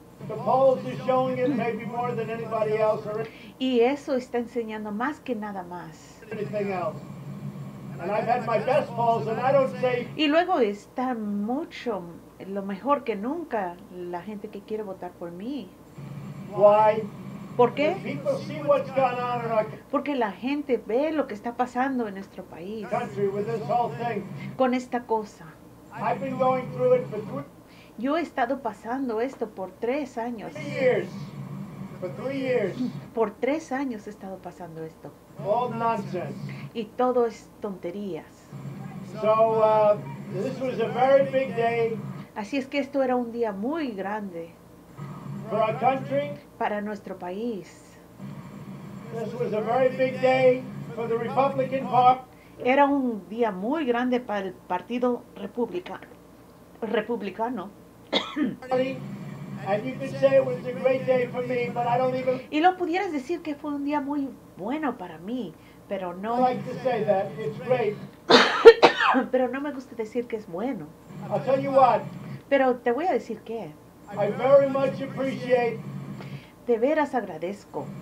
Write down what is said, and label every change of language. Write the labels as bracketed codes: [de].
[en] the polls are showing it maybe more than anybody else. [es] Y eso está enseñando más que nada más. [en] Anything else. And I've had my best polls, and I don't say. [es] Y luego está mucho lo mejor que nunca la gente que quiere votar por mí. [en] Why? [es] ¿Por qué? [en] People see what's going on in our. [es] Porque la gente ve lo que está pasando en nuestro país. [en] Country with this whole thing. [es] Con esta cosa. [en] I've been going through it for [es] yo he estado pasando esto por 3 años. [en] 3 years. For 3 years. [es] Por 3 años he estado pasando esto. [en] All nonsense. [es] Y todo es tonterías. [en] So, this was a very big day. [es] Así es que esto era un día muy grande. [en] For our country. [es] Para nuestro país. [en] This was a very big day for the Republican Party. [es] Era un día muy grande para el Partido Republicano. [en] And you could say it was a great day for me, but I don't even. [es] Y lo pudieras decir que fue un día muy bueno para mí, pero no. [en] I like to say that it's great. [es] Pero no me gusta decir que es bueno. [en] I'll tell you what. [es] Pero te voy a decir qué. [en] I very much appreciate. [es] De veras agradezco.